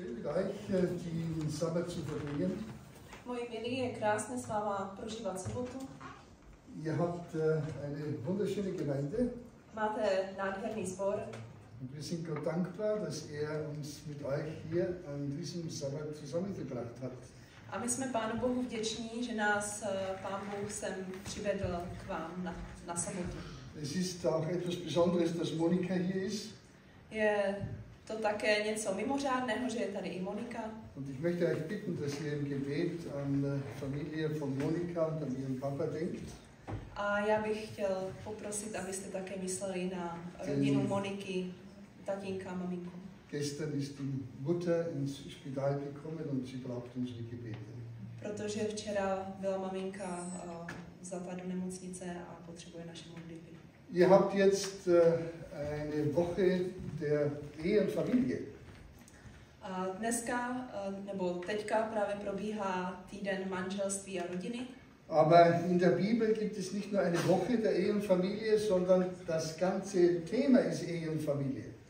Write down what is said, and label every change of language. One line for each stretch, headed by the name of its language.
German: gleich die Sabbat zu verbringen.
Czech: Moje milí, je krásné s váma prožívat sobotu.
German: Ihr habt eine wunderschöne Gemeinde.
Czech: Máte nádherný zbor.
German: Und wir sind Gott dankbar, dass uns mit euch hier an diesem Sabbat zusammengebracht hat.
Czech: A my jsme Pánu Bohu vděční, že nás Pán Bůh sem přivedl k vám na sobotu.
German: Es ist auch etwas Besonderes, dass Monika hier ist.
Czech: Je to také něco mimořádného, že je tady i Monika.
German: Und ich möchte euch bitten, dass ihr im Gebet an Familie von Monika und an ihren Papa denkt.
Czech: A já bych chtěl poprosit, abyste také mysleli na rodinu Moniky, tatínka a maminku.
German: Gestern ist die Mutter ins Spital gekommen und sie braucht unsere Gebete.
Czech: Protože včera byla maminka zapadla do nemocnice a potřebuje naše modlitby.
German: Ihr habt jetzt eine Woche der Ehefamilie.
Czech: A dneska nebo teďka právě probíhá týden manželství a rodiny.
German: Aber in der Bibel gibt es nicht nur eine Woche der Ehefamilie, sondern das ganze Thema ist Ehefamilie.